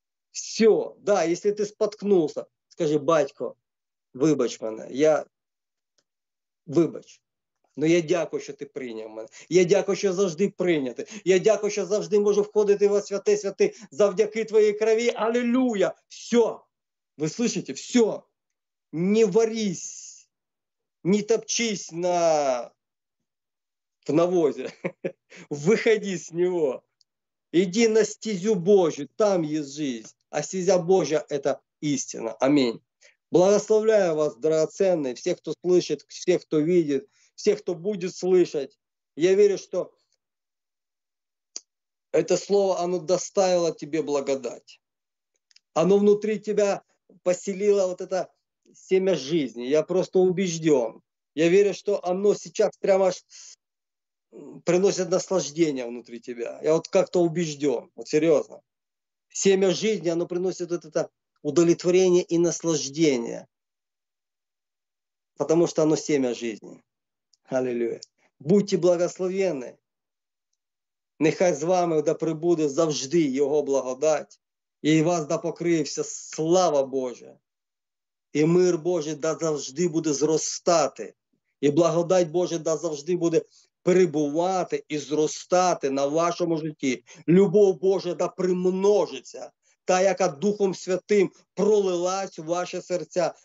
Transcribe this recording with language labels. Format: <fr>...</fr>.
<ru>Все, да, если ты споткнулся, скажи,</ru> <uk>батько, выбач мене, я вибач, но я дякую, що ти прийняв мене, я дякую, що завжди прийнятий, я дякую, що завжди можу входити во святе святи завдяки твоїй крові, алілюя, все,</uk> <ru>ви слышите,</ru> <uk>все, не варись, не топчись в навозі, виходи з нього, іди на стезю Божу, там є життя.</uk> <ru>А стезя Божья – это истина. Аминь. Благословляю вас, драгоценные, всех, кто слышит, всех, кто видит, всех, кто будет слышать. Я верю, что это слово, оно доставило тебе благодать. Оно внутри тебя поселило вот это семя жизни. Я просто убежден. Я верю, что оно сейчас прямо приносит наслаждение внутри тебя. Я вот как-то убежден, вот серьезно. Семя жизни, оно приносит вот это удовлетворение и наслаждение. Потому что оно семя жизни. Аллилуйя. Будьте благословенны.</ru> <uk>Нехай с вами да пребуде завжди</uk> <ru>Его</ru> <uk>благодать. И вас да покриє вся слава Божия. И мир Божий да завжди буде зростати. И благодать Божия да завжди буде перебувати і зростати на вашому житті. Любов Божа да примножиться, та яка Духом Святим пролилась в ваше серця.</uk>